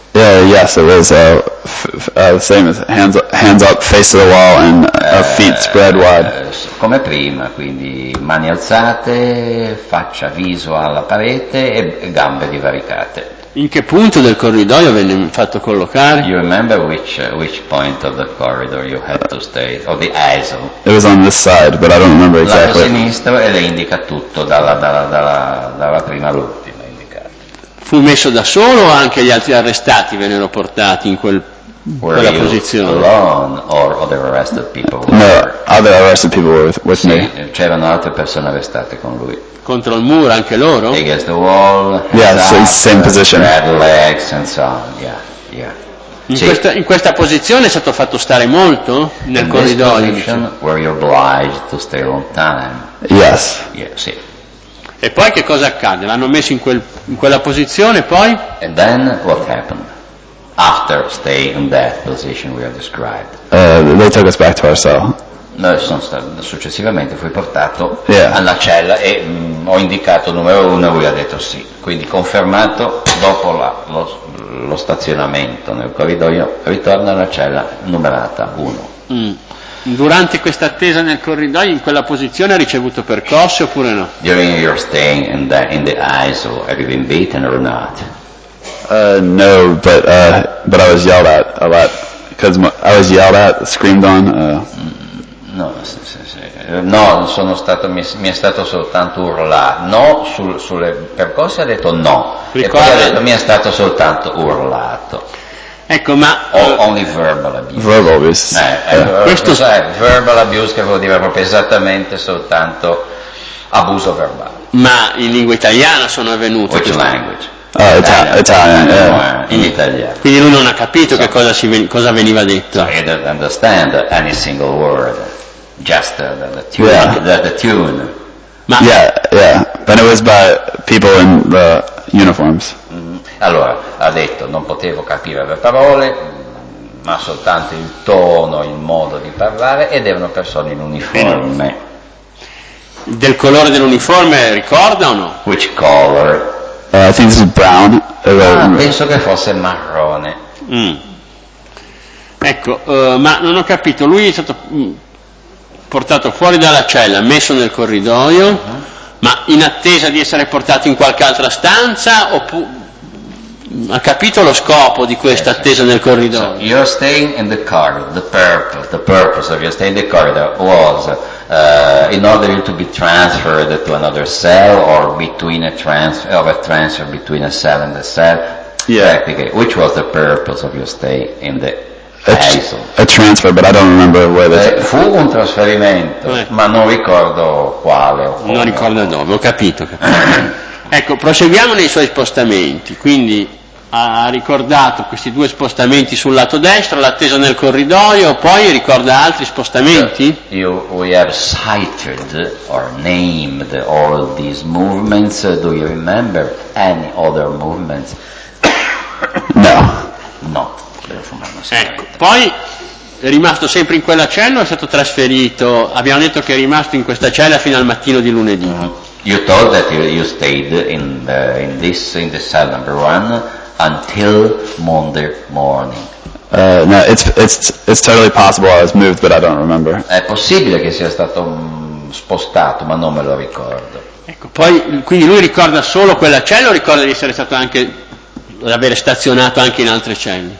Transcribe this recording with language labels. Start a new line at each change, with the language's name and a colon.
English: Yes, it was same as hands up, face to the wall, and feet spread wide.
Italian: Come prima, quindi mani alzate, faccia viso alla parete e gambe divaricate. In che punto del corridoio venne fatto collocare?
English: You remember which point of the corridor you had to stay, or the aisle? It was on this side, but I don't remember exactly.
Italian: Lato sinistro, e le indica tutto, dalla prima all'ultima indicata. Fu messo da solo o anche gli altri arrestati vennero portati in quella posizione?
English: Were you alone, or other arrested people? No, other arrested people were with me.
Italian: C'erano altre persone arrestate con lui. Contro il muro anche loro?
English: Against the wall. Yeah, up, so in same position. Red legs and so on. Yeah.
Italian: In questa posizione è stato fatto stare molto nel corridoio.
English: In this position, were you obliged to stay a long time? Yes. Yeah, sì.
Italian: E poi che cosa accade? L'hanno messo in quella posizione poi?
English: And then what happened after staying in that position we have described? They took us back to our cell.
Italian: Successivamente fui portato alla cella e ho indicato il numero 1 e lui ha detto sì, quindi confermato dopo lo stazionamento nel corridoio, ritorno alla cella numerata 1. Durante questa attesa nel corridoio, in quella posizione, ha ricevuto percosse oppure no?
English: During your stay in the ISO, have you been beaten or not? No, but I was yelled at a lot, because I was yelled at, screamed on.
Italian: No, sono stato, mi è stato soltanto urlato. No, sulle percosse ha detto no. Ricorda, e poi ha detto mi è stato soltanto urlato. Ecco, ma
English: only verbal abuse. Verbal abuse.
Italian: Questo è
English: verbal abuse,
Italian: che vuol dire proprio esattamente soltanto abuso verbale. Ma in lingua italiana sono avvenuto.
English: Which language? Italian.
Italian: In italiano. Quindi lui non ha capito che cosa veniva detto.
English: I don't understand any single word. Just the tune. But it was by people in the uniforms.
Italian: Allora, ha detto, non potevo capire le parole, ma soltanto il tono, il modo di parlare, ed erano persone in uniforme. Del colore dell'uniforme ricorda o no?
English: Which color? I think this is brown.
Italian: Penso che fosse marrone. Ecco, ma non ho capito, lui è stato... portato fuori dalla cella, messo nel corridoio, ma in attesa di essere portato in qualche altra stanza, ha capito lo scopo di questa attesa nel corridoio?
English: So, you're staying in the corridor. The purpose of your stay in the corridor was in order to be transferred to another cell or between a transfer between a cell and a cell. Yeah. Which was the purpose of your stay in the A transfer, but I don't remember where that
Italian: fu un trasferimento, ma non ricordo quale. Non ricordo dove, ho capito. Ecco, proseguiamo nei suoi spostamenti. Quindi ha ricordato questi due spostamenti sul lato destro, l'attesa nel corridoio, poi ricorda altri spostamenti?
English: We have cited or named all these movements. Do you remember any other movements? No. No.
Italian: Ecco, poi è rimasto sempre in quella cella o è stato trasferito? Abbiamo detto che è rimasto in questa cella fino al mattino di lunedì.
English: You told that you stayed in the cell number one until Monday morning. No, it's totally possible I was moved, but I don't remember.
Italian: È possibile che sia stato spostato, ma non me lo ricordo. Ecco, poi quindi lui ricorda solo quella cella o ricorda di essere stato anche l'avere stazionato anche in altre celle?